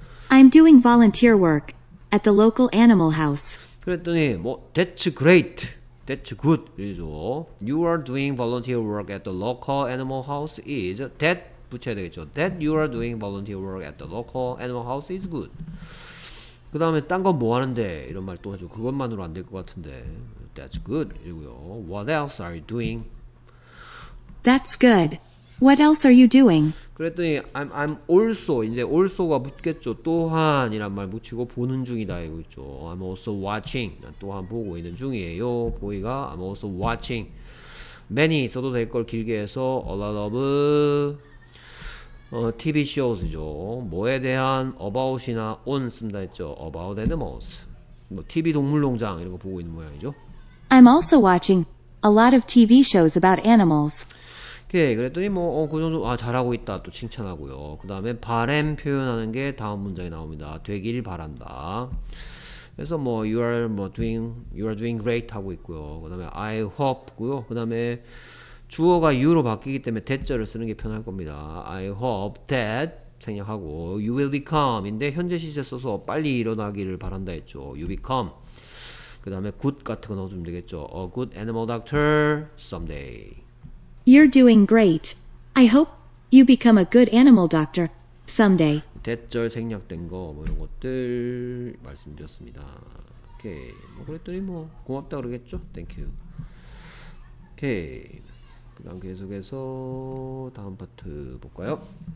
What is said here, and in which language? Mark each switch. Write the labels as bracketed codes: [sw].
[en] I'm doing volunteer work at the local animal house. [ko] 그랬더니 뭐 that's great, that's good 이러죠. [en] You are doing volunteer work at the local animal house is that [ko] 붙여야 되겠죠. [en] That you are doing volunteer work at the local animal house is good. [ko] 그 다음에 딴건뭐 하는데 이런 말또 하죠. 그것만으로 안될것 같은데 that's good 이러고요. [en] What else are you doing? That's good. What else are you doing? [ko] 그랬더니 I'm also 이제 also가 붙겠죠. 또한이란 말 붙이고 보는 중이다 이거 있죠. [en] I'm also watching. [ko] 난 또한 보고 있는 중이에요. [en] 보이가 I'm also watching. Many [ko] 써도 될걸 길게 해서 [en] a lot of TV shows죠. [ko] 뭐에 대한 about이나 on 쓴다 했죠. [en] About animals. [ko] 뭐 TV 동물 농장 이런 거 보고 있는 모양이죠. [en] I'm also watching a lot of TV shows about animals. [ko] 오케이. 그랬더니 뭐그 정도 아 잘하고 있다 또 칭찬하고요. 그 다음에 바램 표현하는 게 다음 문장에 나옵니다. 되길 바란다. 그래서 뭐 you are doing great 하고 있고요. 그 다음에 I hope고요. 그 다음에 주어가 you로 바뀌기 때문에 대절을 쓰는 게 편할 겁니다. [en] I hope that [ko] 생략하고 you will become인데 현재 시제 써서 빨리 일어나기를 바란다 했죠. [en] You become. [ko] 그 다음에 good 같은 거 넣어주면 되겠죠. [en] A good animal doctor someday. You're doing great. I hope you become a good animal doctor someday. [ko] 대절 생략된 거뭐 이런 것들 말씀드렸습니다. 오케이. 뭐 그랬더니 뭐 고맙다 그러겠죠? [en] Thank you. 오케이. [ko] 그다음 계속해서 다음 파트 볼까요?